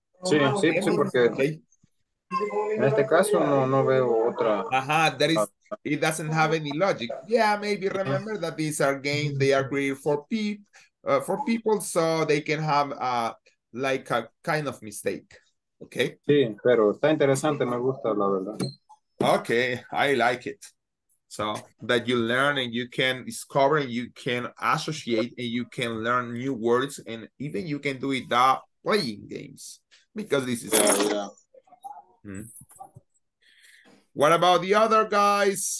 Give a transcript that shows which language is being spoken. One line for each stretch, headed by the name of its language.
Spanish: Sí, porque... Okay. En este caso no veo otra.
English: Ajá, it doesn't have any logic. Yeah, maybe remember that these are games, they are created for people, so they can have like a kind of mistake. Okay?
Spanish: Sí, pero está interesante, me gusta la verdad.
English: Okay, I like it. So that you learn and you can discover and you can associate and you can learn new words and even you can do it that playing games because this is What about the other guys?